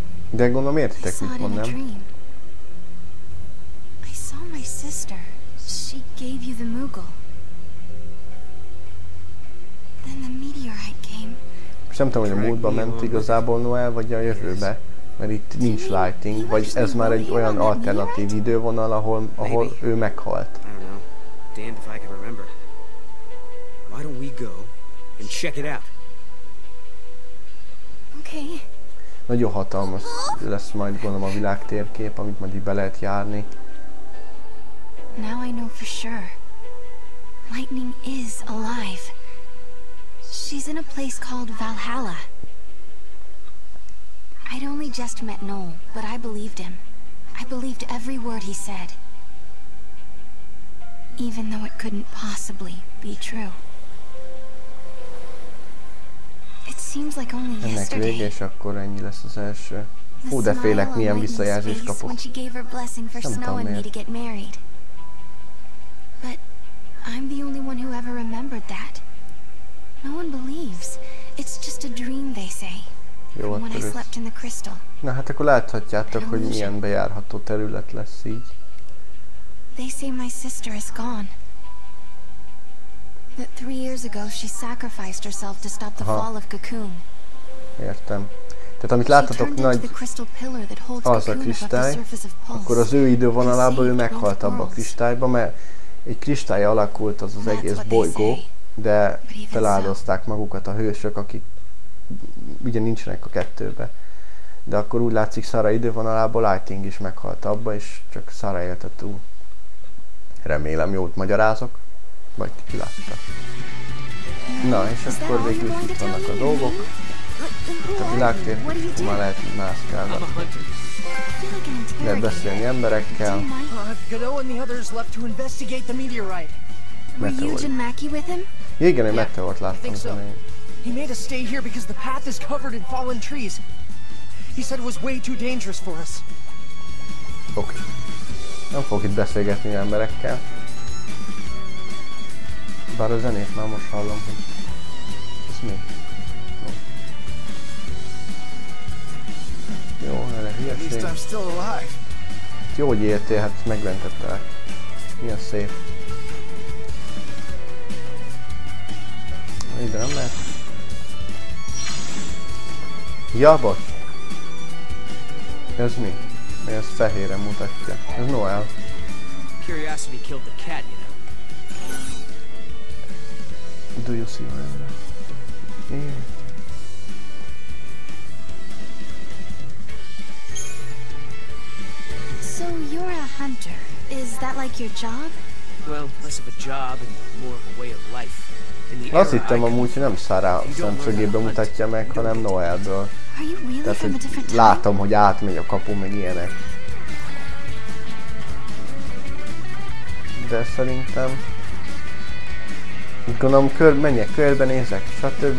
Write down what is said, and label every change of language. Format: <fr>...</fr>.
<hu>De gondolom értitek, mit mondom.</hu> <en>My sister, she gave you the Moogle. Then the meteorite came.</en> <hu>Most nem tudom, hogy a múltba ment igazából Noel, vagy a jövőbe, mert itt nincs Lightning, vagy ez már egy olyan alternatív idővonal, ahol ő meghalt.</hu> <en>I don't know. Damned if I can remember. Why don't we go and check it out? Okay.</en> <hu>Nagyon hatalmas lesz majd gondolom a világtérkép, amit majd így be lehet járni.</hu> <en>Now I know for sure. Lightning is alive. She's in a place called Valhalla. I'd only just met Noel, but I believed him. I believed every word he said. Even though it couldn't possibly be true. It seems like only yesterday.</en> <hu>És akkor ennyi lesz az első. Hú, de félek, milyen visszajelzést kapok.</hu> <en>When she gave her blessing for Snow and me to get married. I'm the only one who ever remembered that. No one believes. It's just a dream, they say.</en> <hu>Jó,</hu> <en>when terüsz. I slept in the crystal.</en> <hu>Na hát akkor láthatjátok, hogy milyen bejárható terület lesz így.</hu> <en>They say my sister is gone. That 3 years ago she sacrificed herself to stop the fall of Cocoon.</en> <hu>Értem. Tehát amit láttatok, nagy az a kristály, akkor az ő idővonalában ő meghalt abba a kristályba, mert egy kristály alakult az az egész bolygó, de feláldozták magukat a hősök, akik ugye nincsenek a kettőbe. De akkor úgy látszik, Sarah idővonalából Lightning is meghalt abba, és csak Sarah élte túl. Remélem, jót magyarázok, vagy ki látta. Na, és akkor végül itt vannak a dolgok. Itt a világtér, ma lehet mászkálni. Lehet beszélni emberekkel. Meteorit. Igen, egy meteort láttam zenéjét.</hu> <en>He made us stay here because the path is covered in fallen trees. He said it was way too dangerous for us. Okay.</en> <hu>Nem fogok itt beszélgetni emberekkel. Bár a zenét már most hallom, hogy... Ez mi? Jó, erre hülyeség. Jó, hogy éltél, hát megmentettelek. Milyen szép. Ide nem lehet. Ja, bocs. Ez mi? Mi ez fehéren mutatja? Ez Noel.</hu> <en>Curiosity killed the cat, you know. Do you see my eyes? So you're a hunter. Is that like your job? Well, less of a job and more of a way of life.</en> <hu>Azt hittem amúgy, hogy nem Sarah szemszögéből mutatja meg, hanem Noelből. Tehát, hogy látom, hogy átmegy a kapu, meg ilyenek. De szerintem... Úgy gondolom, menjek, körbenézek, stb.</hu>